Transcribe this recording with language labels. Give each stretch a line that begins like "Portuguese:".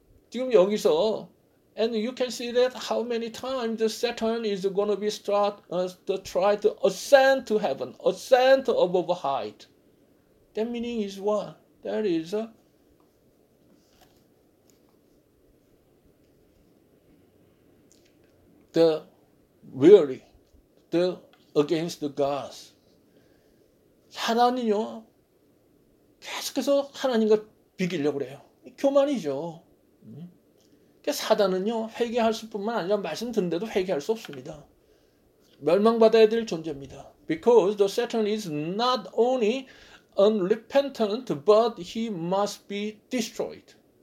Korean: 지금 여기서
English: And you can see that how many times the Saturn is going to be try to ascend to heaven, ascend above height. That meaning is what? That is the weary, the against the gods.
Korean: 사단은요, 계속해서 하나님과 비기려고 그래요. 교만이죠. 사단은요, 회개할 수 뿐만 아니라 말씀 듣는데도 회개할 수 없습니다. 멸망받아야 될 존재입니다.
English: Because the Satan is not only unrepentant, but he must be destroyed.